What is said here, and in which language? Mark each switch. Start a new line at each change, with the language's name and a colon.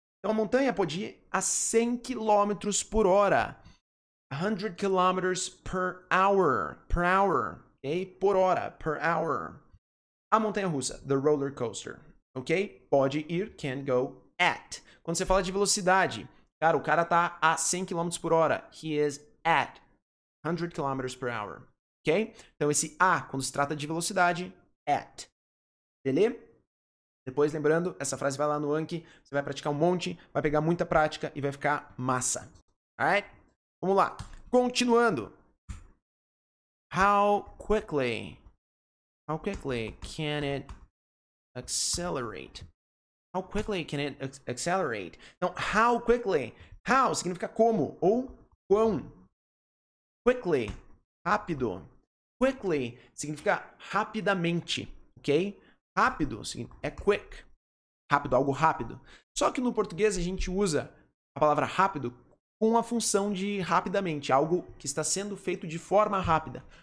Portuguese: Então, a montanha pode ir a 100 quilômetros por hora.
English: 100 kilometers per hour, per hour, ok?
Portuguese: Por hora,
English: per hour.
Portuguese: A montanha-russa,
English: the roller coaster,
Portuguese: ok? Pode ir,
English: can go at.
Portuguese: Quando você fala de velocidade, cara, o cara tá a 100 km por hora.
English: He is at 100 kilometers per hour, ok?
Portuguese: Então, esse a, quando se trata de velocidade, at. Beleza? Depois, lembrando, essa frase vai lá no Anki, você vai praticar um monte, vai pegar muita prática e vai ficar massa. Alright? Vamos lá. Continuando.
English: How quickly can it accelerate? How quickly can it accelerate? Então, how quickly?
Portuguese: How significa como ou quão. Quickly, rápido. Quickly significa rapidamente, ok? Rápido é quick. Rápido, algo rápido. Só que no português a gente usa a palavra rápido com a função de rapidamente, algo que está sendo feito de forma rápida.